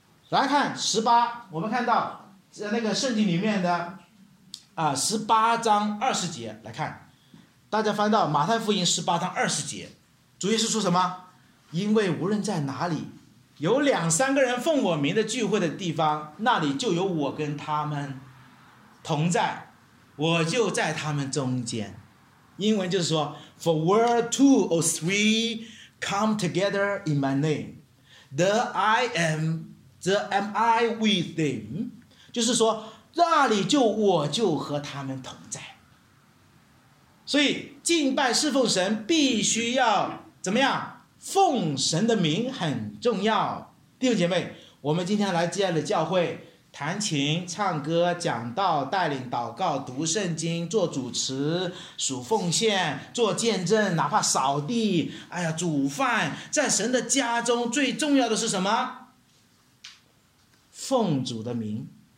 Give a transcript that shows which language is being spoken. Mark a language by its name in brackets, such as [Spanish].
[Chinese] 来看十八，我们看到在那个圣经里面的十八章二十节，来看，大家翻到马太福音十八章二十节，主耶稣说什么？因为无论在哪里有两三个人奉我名的聚会的地方，那里就有我跟他们同在，我就在他们中间。英文就是说 [English] For where two or three come together in my name, there am I with them， [Chinese] 就是说那里就我就和他们同在。所以敬拜侍奉神必须要怎么样？奉神的名很重要。弟兄姐妹，我们今天来这样的教会，弹琴、唱歌、讲道、带领祷告、读圣经、做主持、数奉献、做见证，哪怕扫地，哎呀，煮饭，在神的家中最重要的是什么？奉主的名，